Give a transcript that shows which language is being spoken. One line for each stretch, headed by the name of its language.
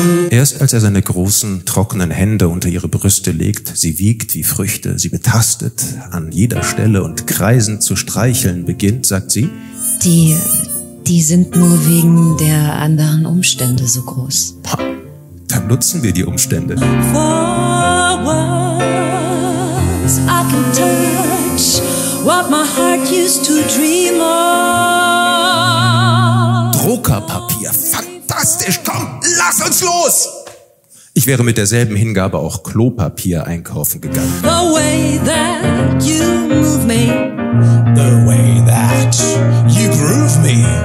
German: Erst als er seine großen, trockenen Hände unter ihre Brüste legt, sie wiegt wie Früchte, sie betastet an jeder Stelle und kreisend zu streicheln beginnt, sagt sie, Die sind nur wegen der anderen Umstände so groß. Ha, dann nutzen wir die Umstände.
English: Forwards, I can touch what my heart used to dream of.
German: Druckerpapier, fantastisch, komm, lass uns los! Ich wäre mit derselben Hingabe auch Klopapier einkaufen gegangen.
English: The way that you move me. The way that you groove me.